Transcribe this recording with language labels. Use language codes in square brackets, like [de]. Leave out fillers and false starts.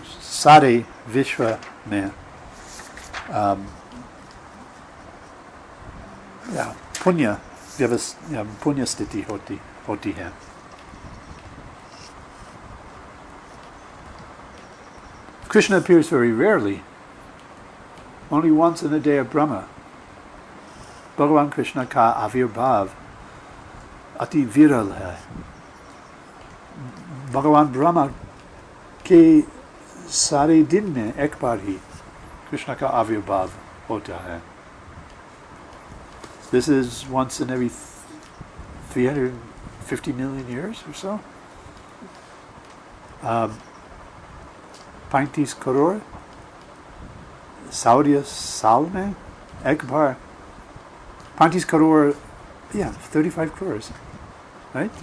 [hi] सारे विश्व में पुण्य व्यवस पुण्य स्थिति होती है. [en] Krishna appears very rarely, only once in the day of Brahma. [hi] भगवान कृष्ण का आविर्भाव अति विरल है. भगवान ब्रह्मा के सारे दिन में एक बार ही कृष्ण का आविर्भाव होता है. [en] This is once in every 350 million years or so. [hi] 35 crore सौर्य साल में एक बार 35 करोड़ [en] 35 crores, right?